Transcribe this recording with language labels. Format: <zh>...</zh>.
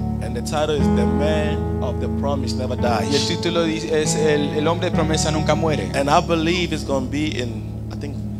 <en>And the title is "The Man of the Promise Never Dies."</en> <es>Y el título es el hombre de promesa nunca muere.</es> <en>And I believe it's going to be in, I think.</en>